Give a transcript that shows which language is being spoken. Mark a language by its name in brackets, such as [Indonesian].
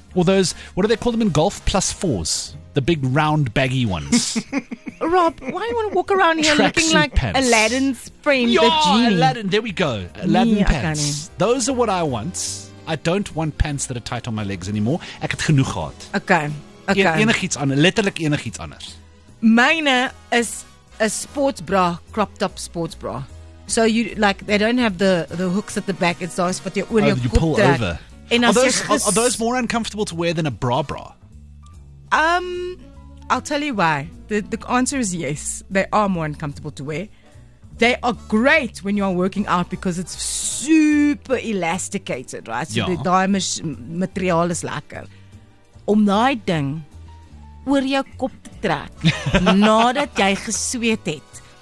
[English] Or those, what do they call them in golf? Plus fours. The big round baggy ones. Rob, why do you want to walk around here looking like pants. Aladdin's frame? Aladdin, there we go. Aladdin pants. Those are what I want. I don't want pants that are tight on my legs anymore. [Afrikaans] Ek het genoeg gehad. [English] Okay. [Afrikaans] Enig iets anders, letterlijk enig iets anders. [English] Mine is a sports bra, cropped up sports bra. So you, like, they don't have the hooks at the back. It's always for your own. You pull over. Are those more uncomfortable to wear than a bra? I'll tell you why. The answer is yes. They are more uncomfortable to wear. They are great when you are working out because it's super elasticated, right? So the diamond material is lekker. [Afrikaans] Om daai ding oor jou kop te trek nadat jy gesweet het.